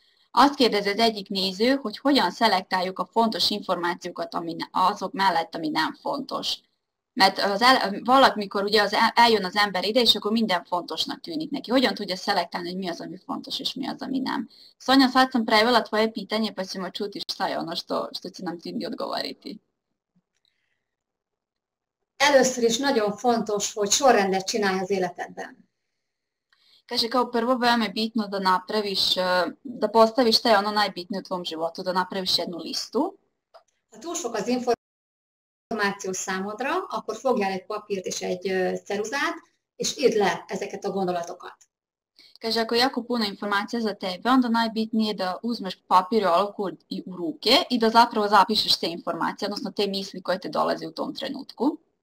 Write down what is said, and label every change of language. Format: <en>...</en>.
<hu>Azt kérdezi az egyik néző, hogy hogyan szelektáljuk a fontos információkat azok mellett, ami nem fontos. Mert valamikor ugye eljön az ember ide, és akkor minden fontosnak tűnik neki. Hogyan tudja szelektálni, hogy mi az, ami fontos, és mi az, ami nem?</hu> <sr>Szonya, sad sam prevela tvoje pitanje, pa ćemo čuti šta je ono što će nam tudi odgovoriti.</sr> <hu>Először is nagyon fontos, hogy sorrendet csinálj az életedben.</hu> <sr>Kaže, kao prvo veoma je bitno da napraviš, da postaviš šta je ono najbitnije u tvom životu, da napraviš jednu listu.</sr> <hu>A tu sok az információ számodra, akkor fogjál egy papírt és egy ceruzát, és írd le ezeket a gondolatokat.</hu> <sr>Kaže, ako jako puno informacija za tebe, onda najbitnije da uzmeš papir i olovku u ruke i da zapravo zapišeš te informacije, odnosno te misli koje te dolaze u tom trenutku.</sr>